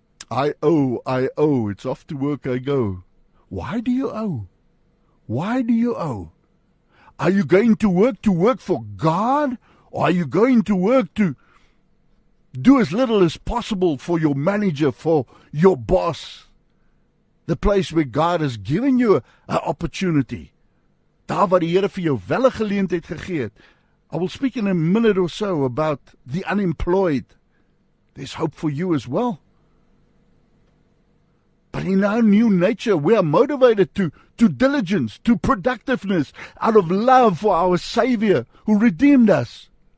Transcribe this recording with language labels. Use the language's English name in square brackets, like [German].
[English] I owe. It's off to work I go. Why do you owe? Are you going to work for God? Or are you going to work to do as little as possible for your manager, for your boss? The place where God has given you an opportunity. [Afrikaans] Daar waar die Here vir jou wel 'n geleentheid gegee het. [English] I will speak in a minute or so about the unemployed. There's hope for you as well. But in our new nature, we are motivated to diligence, to productiveness, out of love for our Savior who redeemed us.